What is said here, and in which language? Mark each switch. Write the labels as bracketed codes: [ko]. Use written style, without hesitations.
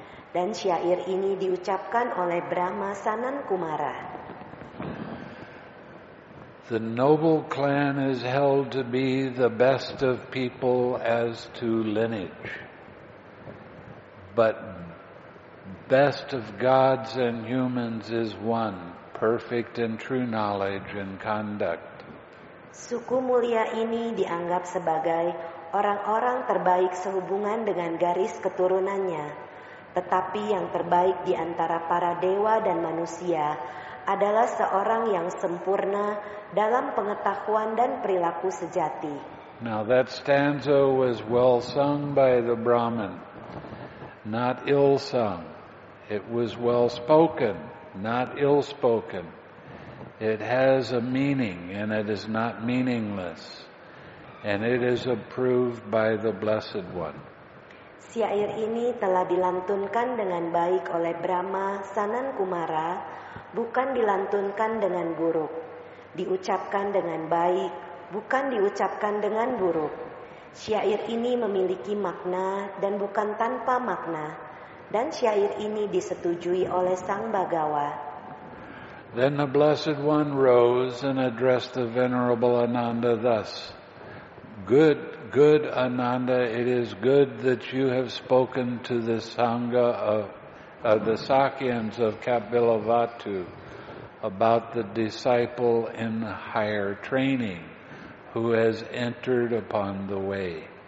[id] Dan syair ini diucapkan oleh Brahma Sanan Kumara. [en] The noble clan is held to be the best of people as to lineage. But best of gods and humans is one, perfect in true knowledge and conduct. [id] Suku mulia ini dianggap sebagai orang-orang terbaik sehubungan dengan garis keturunannya. Tetapi yang terbaik di antara para dewa dan manusia adalah seorang yang sempurna dalam pengetahuan dan perilaku sejati. [en] Now that stanza was well sung by the Brahmin. not ill sung. It was well spoken, not ill spoken. It has a meaning, and it is not meaningless. And it is approved by the Blessed One. [id] Syair ini telah dilantunkan dengan baik oleh Brahma Sanan Kumara, bukan dilantunkan dengan buruk. Diucapkan dengan baik, bukan diucapkan dengan buruk. Syair ini memiliki makna dan bukan tanpa makna. Dan syair ini disetujui oleh Sang Bhagawa. [en] Then the Blessed One rose and addressed the Venerable Ananda thus. Good, good Ananda, it is good that you have spoken to the Sangha of the Sakyans of Kapilavastu about the disciple in higher training who has entered upon the way.